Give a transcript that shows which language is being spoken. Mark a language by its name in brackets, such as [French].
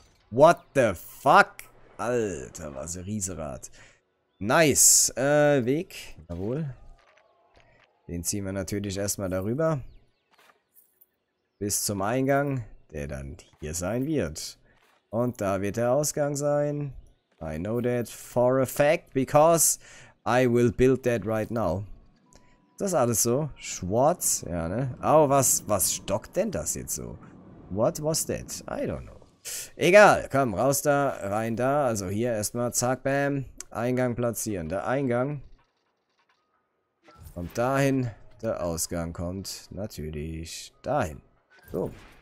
[German] What the fuck? Alter, was ein Rieserad. Nice. Weg. Jawohl. Den ziehen wir natürlich erstmal darüber. Bis zum Eingang, der dann hier sein wird. Und da wird der Ausgang sein. [English] I know that for a fact, because I will build that right now. [German] Ist das alles so? Schwarz? Ja, ne? Oh, was stockt denn das jetzt so? [English] What was that? I don't know. [German] Egal. Komm, raus da. Rein da. Also hier erstmal. Zack, bam. Eingang platzieren. Der Eingang kommt dahin. Der Ausgang kommt natürlich dahin. So.